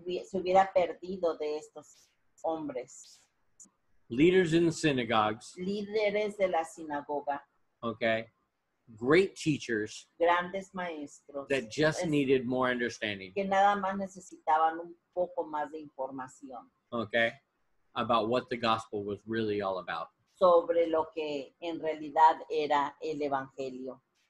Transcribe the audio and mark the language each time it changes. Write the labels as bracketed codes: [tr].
[es] Se hubiera perdido de estos hombres. [en] Leaders in the synagogues. [es] Líderes de la sinagoga. [en] Okay. Great teachers. [es] Grandes maestros. [en] That just needed more understanding. [es] Que nada más necesitaban un poco más de información. [en] Okay. About what the gospel was really all about. [es] Sobre lo que en realidad era el evangelio.